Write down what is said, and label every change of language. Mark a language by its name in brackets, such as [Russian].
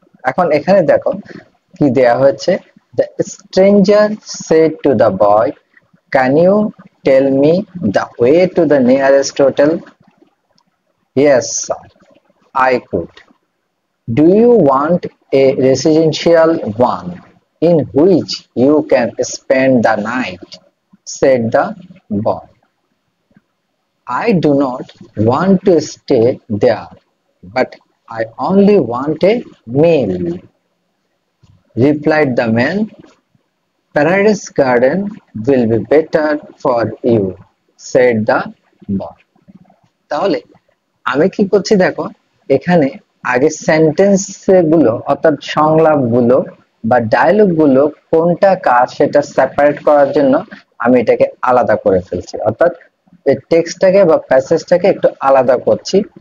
[Bangla] এখন এখানে দেখো কি দেয়া হয়েছে, [English] The stranger said to the boy can you tell me the way to the nearest hotel, yes sir I could, do you want a residential one in which you can spend the night, said the boy, I do not want to stay there, but I only want a meal, replied the man. Paradise garden will be better for you, said the boy. [Bangla] তাহলে আমি কি করছি দেখো, এখানে আগে sentence গুলো অর্থাৎ সংলাপ গুলো বা ডায়লগ গুলো কোনটা কার সেটা সেপারেট করার জন্য আমি এটাকে আলাদা করে ফেলছি, অর্থাৎ টেক্সটটাকে বা প্যাসেজটাকে একটু আলাদা করছি।